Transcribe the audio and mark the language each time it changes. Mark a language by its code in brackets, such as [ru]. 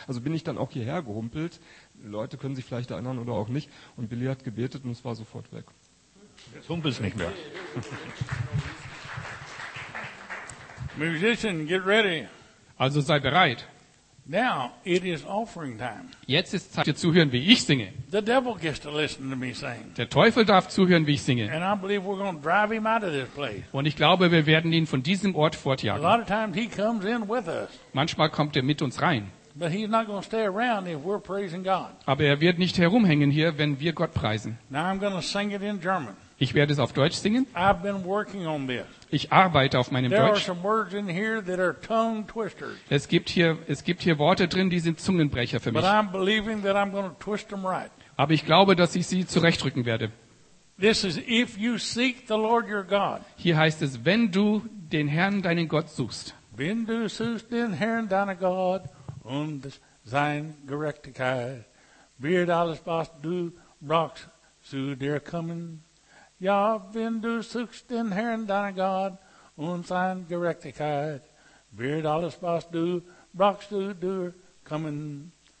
[de] Also bin ich dann auch hierher gehumpelt. Leute können sich vielleicht erinnern oder auch nicht. Und Billy hat gebetet und es war sofort weg. Jetzt humpelst nicht mehr. [en] Musician, get ready. [de] Also sei bereit. [en] Now it is offering time. [de] Jetzt ist Zeit, dir zuhören, wie ich singe. [en] The devil gets to listen to me sing. [de] Der Teufel darf zuhören, wie ich singe. [en] And I believe we're going to drive him out of this place. [de] Und ich glaube, wir werden ihn von diesem Ort fortjagen. [en] A lot of times he comes in with us. [de] Manchmal kommt er mit uns rein. [en] But he's not going to stay around if we're praising God. [de] Aber er wird nicht herumhängen hier, wenn wir Gott preisen. [en] Now I'm going to sing it in German. [de] Ich werde es auf Deutsch singen. [en] I've been working on this. [de] Ich arbeite auf meinem [en] There [de] Deutsch. [en] Are some words in here that are tongue twisters. [de] Es gibt hier Worte drin, die sind Zungenbrecher für mich. [en] But I'm believing that I'm going to twist them right. [de] Aber ich glaube, dass ich sie zurechtrücken werde. [en] This is if you seek the Lord your God. [de] Hier heißt es, wenn du den Herrn, deinen Gott, suchst. Wenn du suchst den Herrn, deinen Gott, und sein Gerechtigkeit, wird alles, was du brauchst, zu dir kommen. Ja, wenn du suchst den Herrn, deinen Gott, und sein Gerechtigkeit, wird alles, was du brauchst, zu dir kommen.